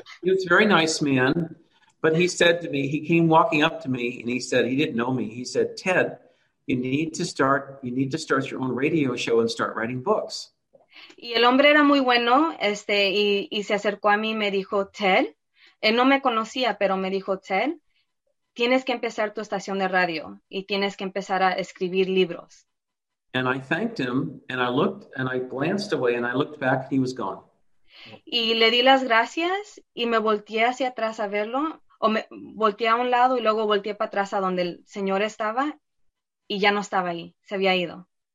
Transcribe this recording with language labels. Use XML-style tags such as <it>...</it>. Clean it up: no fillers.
<en>He was a very nice man, but he said to me, he came walking up to me and he said, he didn't know me, he said, Ted, You need to start your own radio show and start writing books.</en> <es>Y el hombre era muy bueno, y se acercó a mí y me dijo, Ted, él no me conocía, pero me dijo, Ted, tienes que empezar tu estación de radio y tienes que empezar a escribir libros.</es> <en>And I thanked him and I looked and I glanced away and I looked back and he was gone.</en> <es>Y le di las gracias y me volteé hacia atrás a verlo, volteé a un lado y luego volteé para atrás a donde el señor estaba. Y ya no estaba ahí, se había ido.</es>